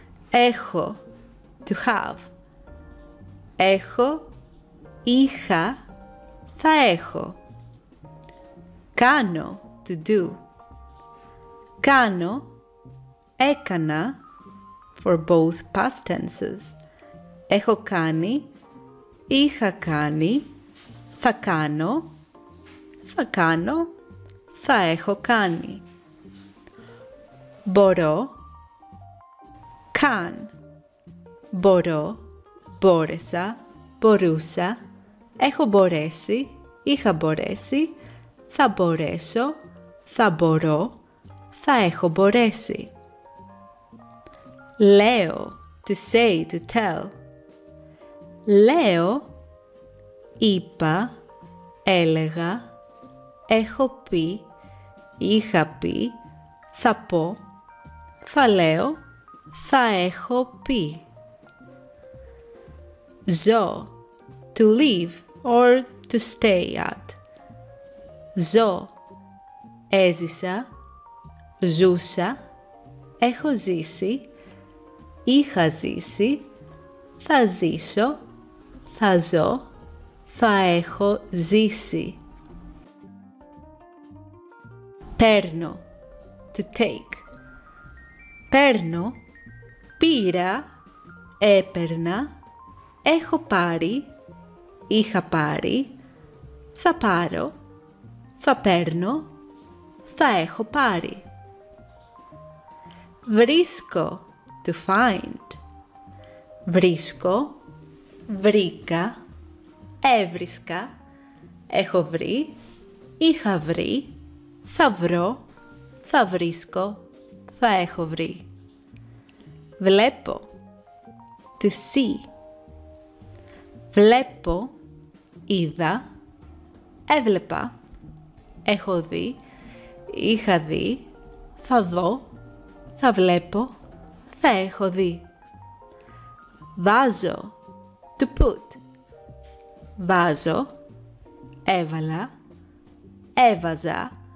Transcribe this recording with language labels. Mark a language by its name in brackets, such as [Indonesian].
[Greek] Έχω, [English] to have. [Greek] Έχω, είχα, θα έχω. Κάνω, [English] to do. [Greek] Κάνω, έκανα, [English] for both past tenses. [Greek] Έχω κάνει, είχα κάνει, θα κάνω, θα κάνω. Θα έχω κάνει. Μπορώ. [English] Can. [Greek] Μπορώ. Μπόρεσα. Μπορούσα. Έχω μπορέσει. Είχα μπορέσει. Θα μπορέσω. Θα μπορώ. Θα έχω μπορέσει. Λέω. [English] To say, to tell. [Greek] Λέω. Είπα. Έλεγα. Έχω πει. Είχα πει, θα πω, θα λέω, θα έχω πει. Ζω, [English] to live or to stay at. [Greek] Ζω, έζησα, ζούσα, έχω ζήσει, είχα ζήσει, θα ζήσω, θα ζω, θα έχω ζήσει. Παίρνω, [English] to take. [Greek] Παίρνω, πήρα, έπαιρνα, έχω πάρει, είχα πάρει, θα πάρω, θα παίρνω, θα έχω πάρει. Βρίσκω, [English] to find. [Greek] Βρίσκω, βρήκα, έβρισκα, έχω βρει, είχα βρει. Θα βρω, θα βρίσκω, θα έχω βρει. Βλέπω, [English] to see. [Greek] Βλέπω, είδα, έβλεπα, έχω δει, είχα δει, θα δω, θα βλέπω, θα έχω δει. Βάζω, [English] to put. [Greek] Βάζω, έβαλα, έβαζα.